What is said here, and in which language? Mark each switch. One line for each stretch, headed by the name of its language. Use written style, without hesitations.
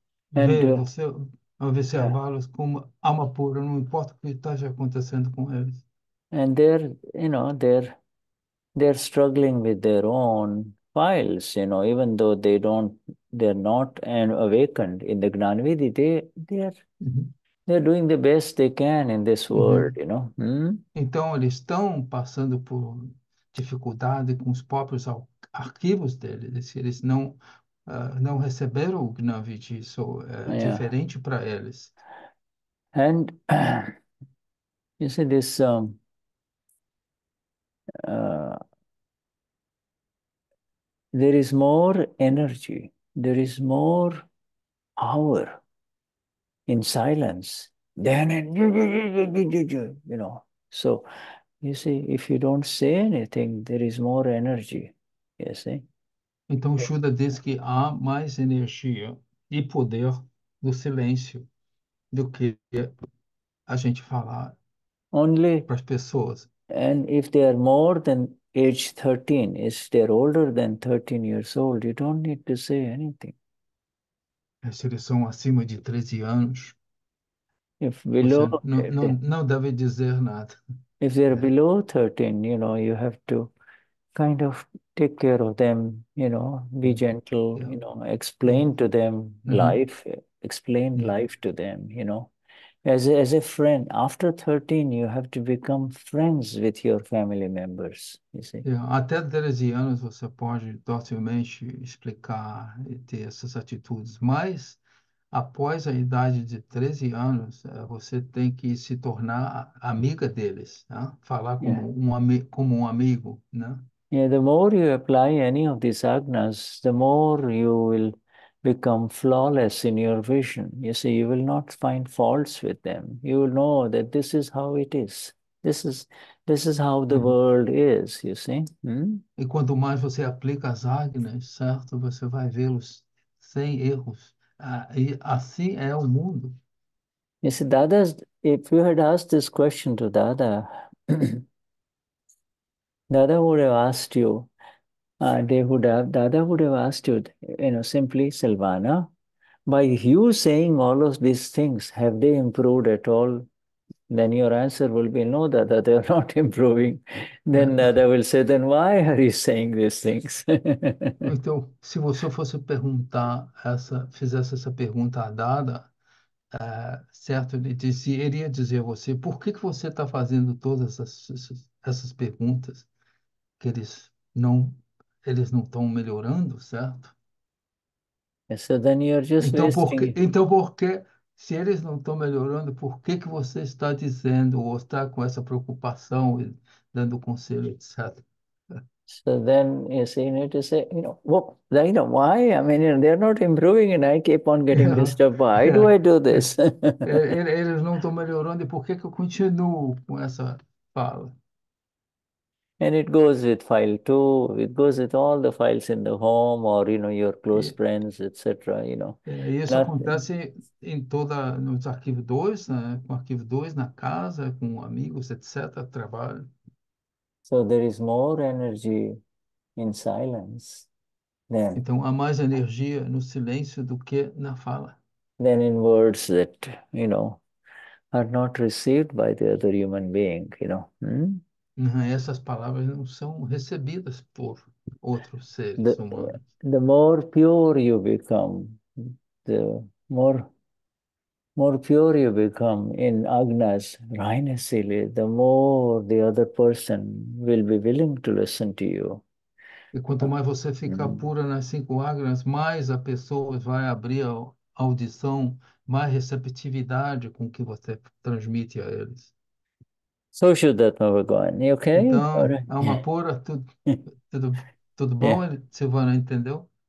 Portuguese: Ver você, observá-los como alma pura, não importa o que esteja acontecendo com eles.
English: And they're struggling with their own files, you know, even though they're not an awakened in the Gnanavidhi, they're doing the best they can in this world, you know.
Portuguese: Então, eles estão passando por dificuldade com os próprios arquivos deles. Eles não receberam o Gnanvidhi, isso é diferente para eles.
English: And you see this there is more energy, there is more power in silence than in you know. So you see, if you don't say anything, there is more energy, you see.
Portuguese: Então, Shuddha diz que há mais energia e poder no silêncio do que a gente falar
English: Only,
Portuguese: para as pessoas.
English: and if they are more than age 13, if they are older than 13 years old, you don't need to say anything.
Portuguese: Se eles são acima de 13 anos,
English: If
Portuguese: você
English: below,
Portuguese: não deve dizer nada.
English: if they are below 13, you know, you have to kind of take care of them, you know, be gentle, you know, explain to them life, explain life to them, you know. As a friend, after 13, you have to become friends with your family members, you see.
Portuguese: Até 13 anos você pode docilmente explicar e ter essas atitudes, mas após a idade de 13 anos, você tem que se tornar amiga deles, né? Falar como um amigo, né?
English: The more you apply any of these agnas, the more you will become flawless in your vision. You see, you will not find faults with them. You will know that this is how it is. This is how the world is, you see.
Portuguese: E quanto mais você aplica as agnas, certo? Você vai vê-los sem erros. E assim é o mundo.
English: You see, Dada's, if you had asked this question to Dada, Dada would have asked you. Dada would have asked you know, simply, Silvana, by you saying all of these things, have they improved at all? Then your answer will be no, Dada, they are not improving. Then Dada will say, then why are you saying these things?
Portuguese: Então, se você fosse perguntar fizesse essa pergunta à Dada, certo? Ele disse, iria dizer a você, por que que você está fazendo todas essas perguntas que eles não estão melhorando, certo?
English: So then you're just
Portuguese: Então,
English: wasting.
Portuguese: por que Se eles não estão melhorando, por que que você está dizendo ou está com essa preocupação, dando conselho, etc.?
English: So then you see, you need to say, well, you know, why? I mean, they're not improving and I keep on getting disturbed. Why do I do this?
Portuguese: Eles não estão melhorando, e por que que eu continuo com essa fala?
English: And it goes with file two, it goes with all the files in the home or, you know, your close friends, etc., you know.
Portuguese: Isso
English: Nothing.
Portuguese: acontece em toda nos arquivos 2, né? Com arquivo 2 na casa, com amigos, etc., trabalho.
English: So there is more energy in silence
Portuguese: Então, há mais energia no silêncio do que na fala.
English: than in words that, you know, are not received by the other human being, you know.
Portuguese: Essas palavras não são recebidas por outros seres humanos.
English: The more pure you become, the more pure you become in Agna's Rhinocele, the more the other person will be willing to listen to you.
Portuguese: E quanto mais você ficar pura nas cinco agnas, mais a pessoa vai abrir a audição, mais receptividade com que você transmite a eles.
English: So should that move on? You okay?
Portuguese: Então, é uma pura, tudo bom, Silvana, entendeu?